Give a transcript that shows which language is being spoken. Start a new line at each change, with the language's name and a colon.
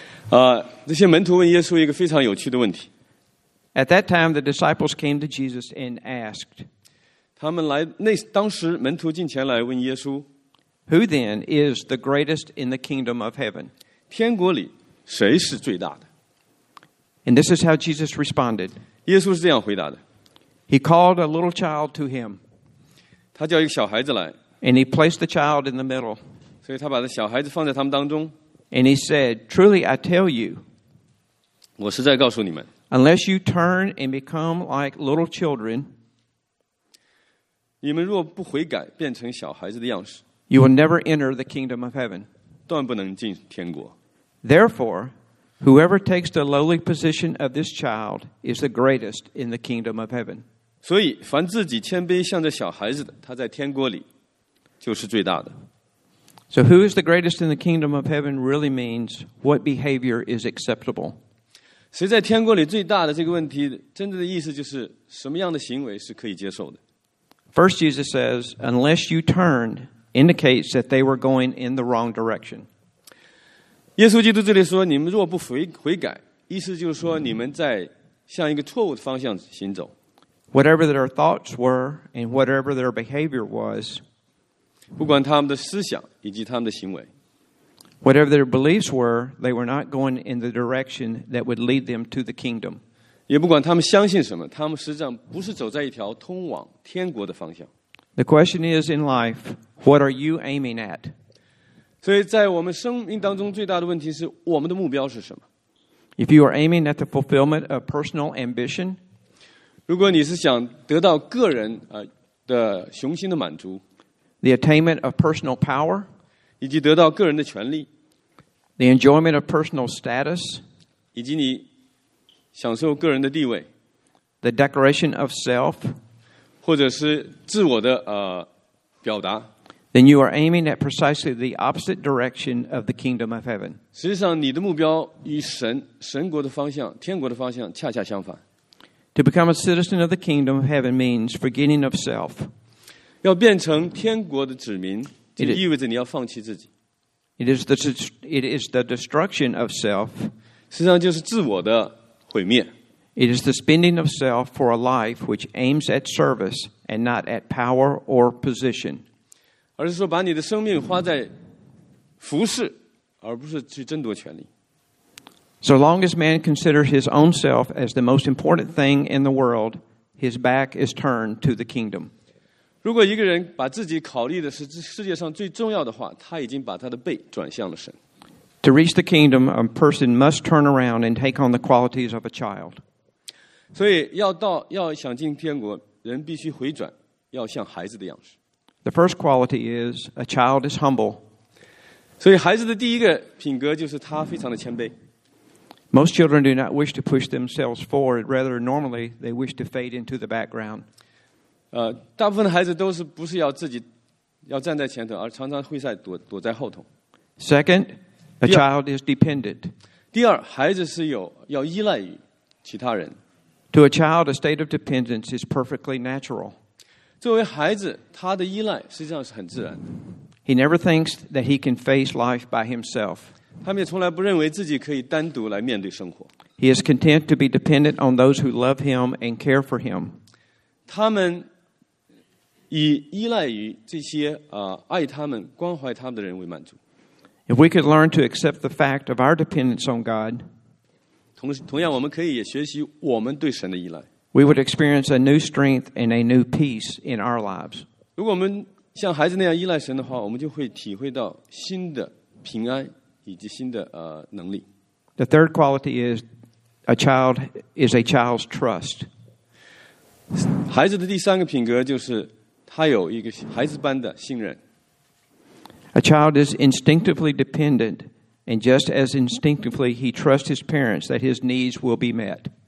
Chinese: 这些门徒问耶稣一个非常有趣的问题。
English: At that time, the disciples came to Jesus and asked,
Chinese: 他们来，那，当时门徒进前来问耶稣，
English: Who then is the greatest in the kingdom of heaven?
Chinese: 天国里谁是最大的？
English: And this is how Jesus responded.
Chinese: 耶稣是这样回答的。
English: He called a little child to him.
Chinese: 他叫一个小孩子来。
English: And he placed the child in the middle.
Chinese: 所以他把这小孩子放在他们当中。
English: And he said, Truly I tell you,
Chinese: 我实在告诉你们，
English: unless you turn and become like little children,
Chinese: 你们若不悔改，变成小孩子的样式，
English: you will never enter the kingdom of heaven.
Chinese: 断不能进天国。
English: Therefore,Whoever takes the lowly position of this child is the greatest in the kingdom of heaven.
Chinese: 所以，凡自己谦卑像这小孩子的，他在天国里就是最大的。
English: So who is the greatest in the kingdom of heaven really means what behavior is acceptable.
Chinese: 谁在天国里最大的这个问题，真正的意思就是什么样的行为是可以接受的。
English: First, Jesus says, unless you turn, indicates that they were going in the wrong direction.
Chinese: 耶稣基督这里说你们若不 悔改意思就是说你们在向一个错误的方向行走。
English: Whatever their thoughts were and whatever their behavior was,
Chinese: 不管他们的思想以及他们的行为。
English: Whatever their beliefs were, they were not going in the direction that would lead them to the kingdom.
Chinese: 也不管他们相信什么，他们实际上不是走在一条通往天国的方向。
English: The question is in life, what are you aiming at?
Chinese: 所以在我们生命当中最大的问题是我们的目标是什么。
English: If you are aiming at the fulfillment of personal ambition,
Chinese: 如果你是想得到个人的雄心的满足，
English: the attainment of personal power,
Chinese: 以及得到个人的权利，
English: the enjoyment of personal status,
Chinese: 以及你享受个人的地位，
English: the declaration of self,
Chinese: 或者是自我的表达，
English: then you are aiming at precisely the opposite direction of the kingdom of heaven.
Chinese: 实际上你的目标与神国的方向，天国的方向恰恰相反。
English: To become a citizen of the kingdom of heaven means forgetting of self.
Chinese: 要变成天国的子民，就意味着你要放弃自己。
English: It is the destruction of self.
Chinese: 实际上就是自我的毁灭。
English: It is the spending of self for a life which aims at service and not at power or position.
Chinese: 而是说把你的生命花在服侍，而不是去争夺权利。
English: So long as man considers his own self as the most important thing in the world, his back is turned to the kingdom.
Chinese: 如果一个人把自己考虑的是世界上最重要的话，他已经把他的背转向了神。
English: To reach the kingdom, a person must turn around and take on the qualities of a child.
Chinese: 所以要想进天国，人必须回转，要像孩子的样式。
English: The first quality is a child is humble.
Chinese: 所以孩子的第一个品格就是他非常的谦卑。
English: Most children do not wish to push themselves forward. Rather, normally, they wish to fade into the background.
Chinese: 大部分的孩子都是不是要自己要站在前头，而常常会在躲在后头。
English: Second, a child is dependent.
Chinese: 第二，孩子是有要依赖于其他人。
English: To a child, a state of dependence is perfectly natural.
Chinese: 作为孩子，他的依赖实际上是很自然的。
English: He never thinks that he can face life by himself.
Chinese: 他们也从来不认为自己可以单独来面对生活。
English: He is content to be dependent on those who love him and care for him.
Chinese: 他们以依赖于这些爱他们、关怀他们的人为满足。
English: If we could learn to accept the fact of our dependence on God,
Chinese: 同样我们可以也学习我们对神的依赖。
English: We would experience a new strength and a new peace in our lives.
Chinese: 如果我们像孩子那样依赖神的话，我们就会体会到新的平安以及新的能力。
English: The third quality is a child's trust.
Chinese: 孩子的第三个品格就是他有一个孩子般的信任。
English: A child is instinctively dependent, and just as instinctively, he trusts his parents that his needs will be met.